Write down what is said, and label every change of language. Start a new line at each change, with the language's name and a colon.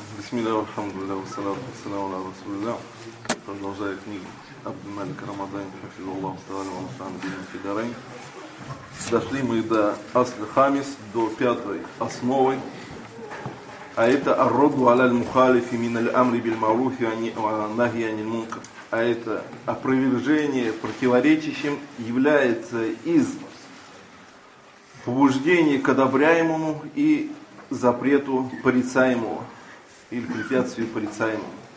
Arabic: بسم الله والحمد لله والصلاة والسلام على رسول الله. رجل جاي كنيق أبو مالك رمضان حفظ الله تعالى ونفعنا به في دارين.
Russian: Дошли мы до
Arabic: أصل خامس
Russian: до пятой основы. А это
Arabic: الرد على المخالف من الأمر بالمعروف والنهي عن المنكر.
Russian: А это опровержение противоречащим является из побуждения к одобряемому и запрету порицаемого. Или препятствие порицаемому.